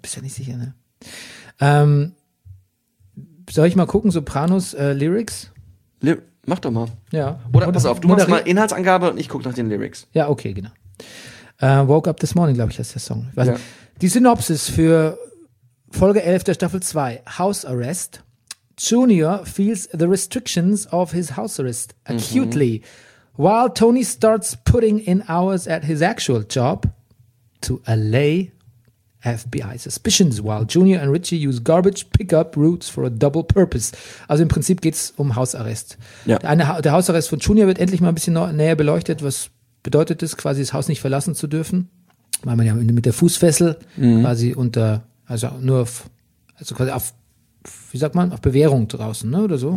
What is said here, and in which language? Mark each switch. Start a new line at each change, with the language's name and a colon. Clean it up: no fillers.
German: Bist du ja nicht sicher, ne? Soll ich mal gucken, Sopranos Lyrics? Mach doch mal. Ja. Oder pass auf, du machst mal Inhaltsangabe und ich guck nach den Lyrics. Ja, okay, genau.
English: Woke up this morning,
German: glaube ich, heißt der Song. Ja. Die Synopsis für Folge 11 der Staffel 2, House Arrest.
English: Junior feels the restrictions of his house arrest acutely, while Tony starts putting in hours at his actual job to allay FBI suspicions, while Junior and Richie use garbage pickup routes for a double purpose.
German: Also im Prinzip geht's um Hausarrest. Ja. Der Hausarrest von Junior wird endlich mal ein bisschen näher beleuchtet. Was bedeutet es, quasi das Haus nicht verlassen zu dürfen? Weil man ja mit der Fußfessel quasi unter, also nur auf, also quasi auf, wie sagt man, auf Bewährung draußen, ne, oder so.